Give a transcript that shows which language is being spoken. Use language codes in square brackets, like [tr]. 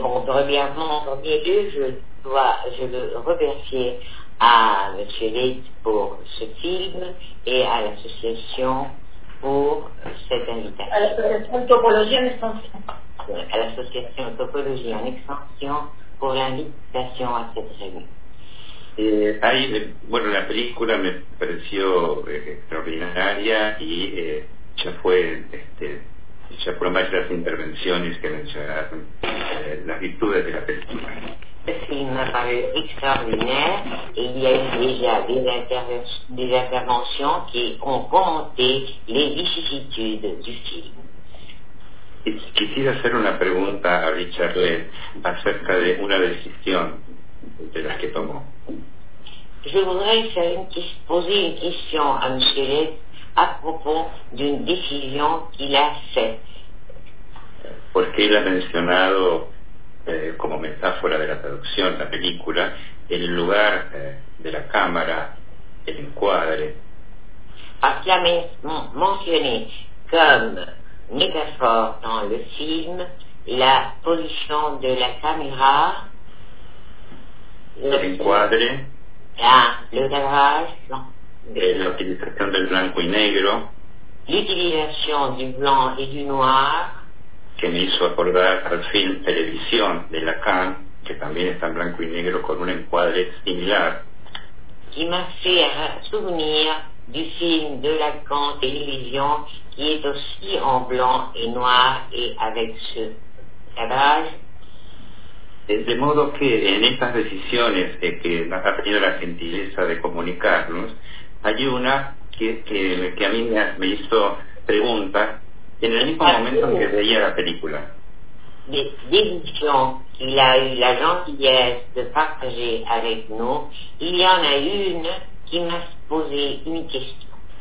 [fr] Bon, premièrement, en premier lieu, je veux remercier à M. Leitch pour ce film et à l'association pour cette invitation. À l'association Topologie en Extension. À l'association Topologie en Extension pour l'invitation à cette réunion. [es] Bueno, la película me pareció extraordinaria y ya fue, ya fueron varias intervenciones que mencionaron las virtudes de la película. Sí, me pareció [fr] extraordinaire [es] y ya hubo [fr] des interventions [es] que han comentado las vicisitudes del film. Quisiera hacer una pregunta a Richard Lenz acerca de una decisión de las que tomó. [fr] Je voudrais poser une question à M. Leitch à propos d'une décision qu'il a faite. [es] Porque él ha mencionado como metáfora de la traducción, la película, el lugar de la cámara, el encuadre. [fr] Parce qu'il a mentionné comme métaphore dans le film la position de la caméra, l'encuadre. [es] La utilización del blanco y negro. [fr] L'utilisation du blanc et du noir. [es] Que me hizo acordar al film Televisión de Lacan, que también está en blanco y negro con un encuadre similar. [fr] Qui m'a fait souvenir du film de Lacan Télévision, qui est aussi en blanc et noir et avec ce cadrage. [es] De modo que en estas decisiones que nos ha tenido la gentileza de comunicarnos, hay una que a mí me hizo pregunta en el mismo momento en que veía la película. La decisión que ha tenido la gentileza de [fr] partager avec nous, il y en a [es] una que me ha posé una cuestión.